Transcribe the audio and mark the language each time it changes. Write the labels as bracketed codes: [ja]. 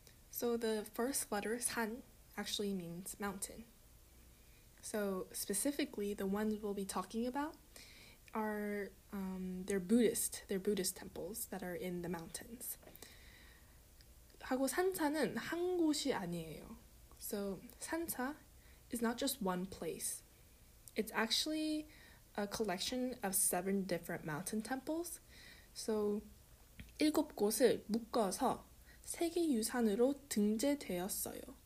[en] So the first letter, San, actually means mountain. So specifically, the ones we'll be talking about are they're Buddhist temples that are in the mountains. [ko] 하고 산사는 한 곳이 아니에요. [en] So Sansa is not just one place. It's actually a collection of 7 different mountain temples. [ko] So 7 곳을 묶어서 세계 유산으로 등재되었어요.